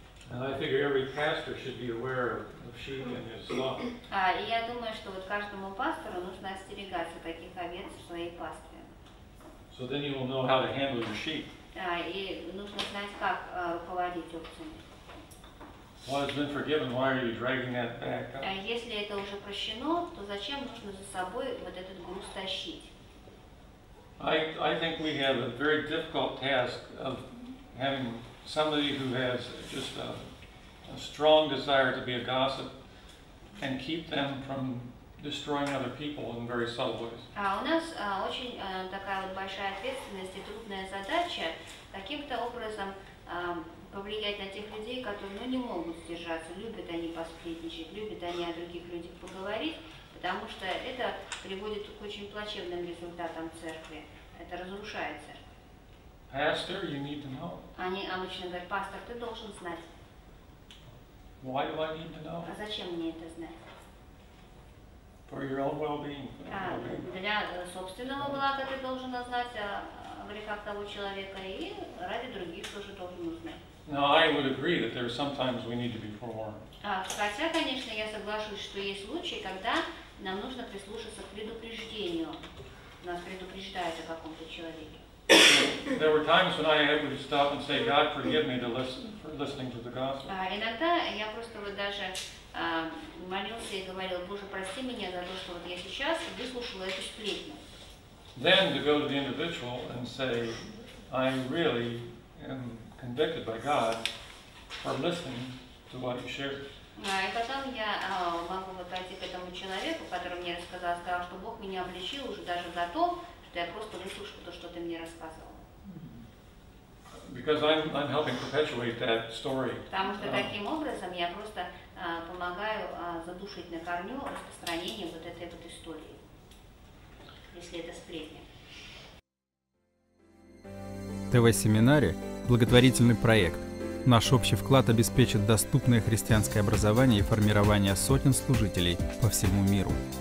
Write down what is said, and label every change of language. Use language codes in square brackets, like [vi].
[en] And I figure every pastor should be aware of sheep in his flock. [ru] И я думаю, что вот каждому пастору нужно остерегаться таких овец в своей пастве. [en] So then you will know how to handle your sheep. [ru] И нужно знать, как руководить овцами. [en] Well, it's been forgiven. Why are you dragging that back? [ru] Если это уже прощено, то зачем нужно за собой вот этот груз тащить? [en] I think we have a very difficult task of having somebody who has just a strong desire to be a gossip and keep them from destroying other people in very subtle ways. [ru] У нас очень такая вот большая ответственность и трудная задача каким-то образом повлиять на тех людей, которые не могут сдержаться, любят они посплетничать, любят они о других людях поговорить, потому что это приводит к очень плачевным результатам церкви. Это разрушает церковь. [en] Pastor, you need to know. [ru] Они обычно говорят, пастор, ты должен знать. [en] Why do I need to know? [ru] Зачем мне это знать? [en] For your own well-being. [ru] Для собственного блага ты должен знать о грехах того человека и ради других тоже должен узнать. [en] Now I would agree that there are sometimes we need to be forewarned. [ru] Хотя, конечно, я соглашусь, что есть случаи, когда нам нужно прислушаться к предупреждению. Нас предупреждают о каком-то человеке. [en] There were times when I would stop and say, God, forgive me for listening to the gospel. [ru] Иногда я просто вот даже молился и говорил, Боже, прости меня за то, что вот я сейчас выслушала эту сплетню. [en] Then to go to the individual and say, I really am convicted by God for listening to what you shared. [ru] И потом я могу вот пойти к этому человеку, который мне рассказал, сказал, что Бог меня обличил уже даже за то, что я просто выслушал то, что ты мне рассказывал. [en] Because I'm helping perpetuate that story. [ru] Потому что таким образом я просто помогаю задушить на корню распространение вот этой вот истории, если это сплетня. ТВ-семинаре – благотворительный проект. Наш общий вклад обеспечит доступное христианское образование и формирование сотен служителей по всему миру.